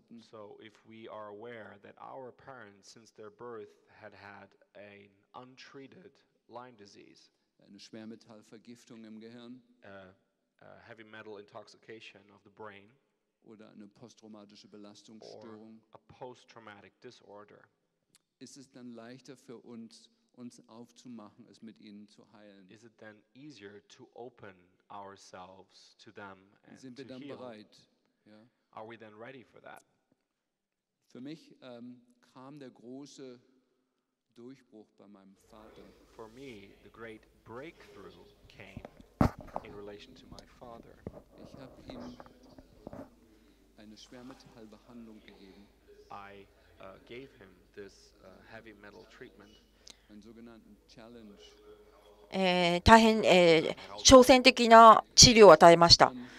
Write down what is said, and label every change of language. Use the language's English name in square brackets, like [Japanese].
[English] So if we are aware that our parents, since their birth, had had an untreated Lyme disease, [German] eine Schwermetallvergiftung im Gehirn, [English] a heavy metal intoxication of the brain, [German] oder eine posttraumatische Belastungsstörung, [English] or a post-traumatic disorder, [German] ist es dann leichter für uns, uns aufzumachen, es mit ihnen zu heilen? [English] Is it then easier to open ourselves to them and [German] sind [English] to [German] wir dann [English] heal? [German] Bereit? Ja. [English] Are we then ready for that? [German] Für mich kam der große Durchbruch bei meinem Vater. [English] For me, the great breakthrough came in relation to my father. [German] Ich habe ihm eine Schwermetallbehandlung gegeben. [English] I gave him this heavy metal treatment. [German] Ein sogenannten Challenge. [Japanese] 大変、挑戦的な治療を与えました。